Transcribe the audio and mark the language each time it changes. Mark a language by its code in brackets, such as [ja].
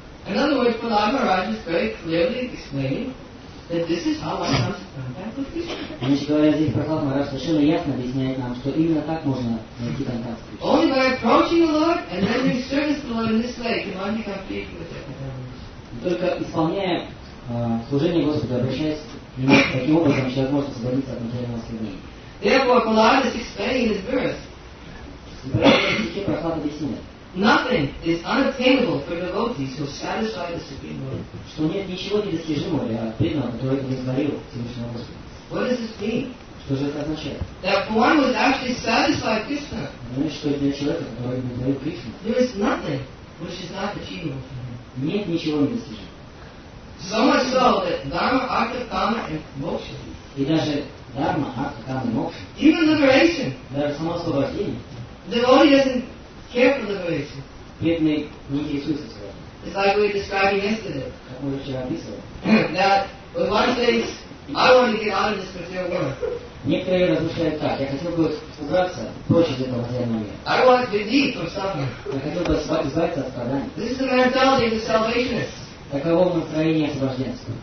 [en] In other words, Prahlad Maharaj is very clearly explaining that this is how one comes to contact with Krishna. [ru] Значит, говоря здесь, Прохлад Махарадж совершенно ясно объясняет нам, что именно так можно найти контакт с Кришной. [en] Only by approaching the Lord and rendering service to the Lord in this way can one become free from material contamination. [ru] Только исполняя служение Господу, обращаясь к таким образом, человек может освободиться от материального осквернения. [en] Therefore, Prahlad is explaining his birth. Nothing is unattainable for devotees who satisfy the Supreme Lord. [ru] Что нет ничего недостижимого для преданного, который удовлетворил Всевышнего Господа. [en] What does this mean? [ru] Что же это означает? [en] That for one who actually satisfied Krishna. [ru] Значит, что для человека, который удовлетворил Кришну. [en] There is nothing which is not achievable for him. [ru] Нет ничего недостижимого. [en] So much so that dharma, artha, kama, and moksha. [ru] И даже dharma, artha, kama, moksha. [en] Even liberation. [ru] Даже само освобождение. [en] The devotee doesn't care for liberation. [ru] Преданный не интересуется своим. [en] It's like we were describing yesterday. [ru] Как мы вчера описывали. [en] That when one says, I want to get out of this material world. [ru] Некоторые размышляют так. Я хотел бы убраться прочь из этого материального мира. [en] I want to be deep or something. [ru] Я хотел бы избавиться от страданий. [en] This is the mentality of the salvationists. [ru] Таково настроение освобожденства.